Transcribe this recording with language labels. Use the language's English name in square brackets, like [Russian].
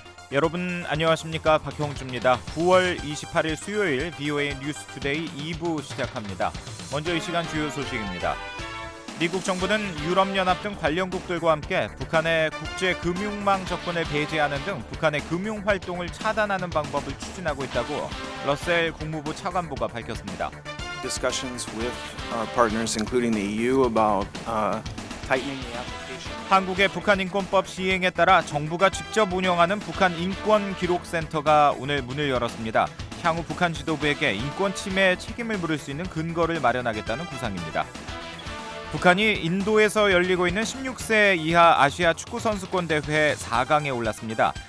[Korean] 여러분 안녕하십니까? 박형주입니다. 9월 28일 수요일 VOA News Today 2부 시작합니다. 먼저 이 시간 주요 소식입니다. 미국 정부는 유럽연합 등 관련국들과 함께 북한의 국제금융망 접근을 배제하는 등 북한의 금융활동을 차단하는 방법을 추진하고 있다고 러셀 국무부 차관보가 밝혔습니다. [English] Discussions with our partners, including the EU, about tightening the application. [Korean] 한국의 북한 인권법 시행에 따라 정부가 직접 운영하는 북한 인권 기록 센터가 오늘 문을 열었습니다. 향후 북한 지도부에게 인권 침해 책임을 물을 수 있는 근거를 마련하겠다는 구상입니다. 북한이 인도에서 열리고 있는 16세 이하 아시아 축구 선수권 대회 4강에 올랐습니다.